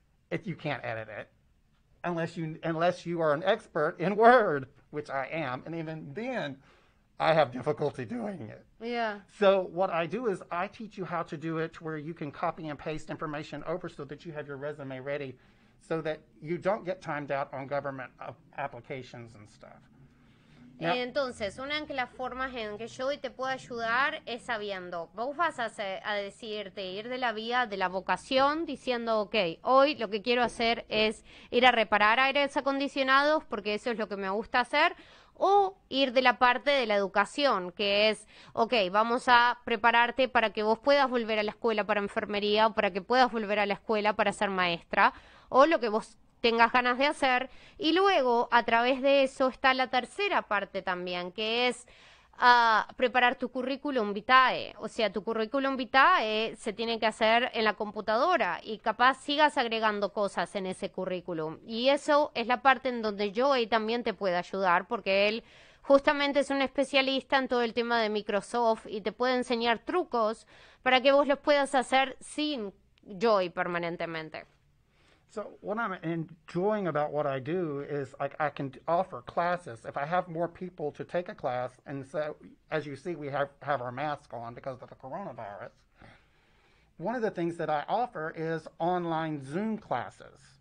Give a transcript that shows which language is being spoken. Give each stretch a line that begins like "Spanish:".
English: If you can't edit it, unless you are an expert in Word, which I am, and even then, I have difficulty doing it. Yeah. So what I do is I teach you how to do it where you can copy and paste information over so that you have your resume ready, so that you don't get timed out on government applications and stuff.
Spanish: Now, entonces, una de las formas en que yo te puedo ayudar es sabiendo. Vos vas a decirte ir de la vía de la vocación diciendo, ok, hoy lo que quiero hacer es ir a reparar aires acondicionados porque eso es lo que me gusta hacer. O ir de la parte de la educación, que es, ok, vamos a prepararte para que vos puedas volver a la escuela para enfermería o para que puedas volver a la escuela para ser maestra o lo que vos tengas ganas de hacer. Y luego, a través de eso, está la tercera parte también, que es preparar tu currículum vitae. O sea, tu currículum vitae se tiene que hacer en la computadora y capaz sigas agregando cosas en ese currículum. Y eso es la parte en donde Joey también te puede ayudar, porque él justamente es un especialista en todo el tema de Microsoft y te puede enseñar trucos para que vos los puedas hacer sin Joey permanentemente.
English: So what I'm enjoying about what I do is like I can offer classes. If I have more people to take a class, and so as you see, we have our mask on because of the coronavirus. One of the things that I offer is online Zoom classes.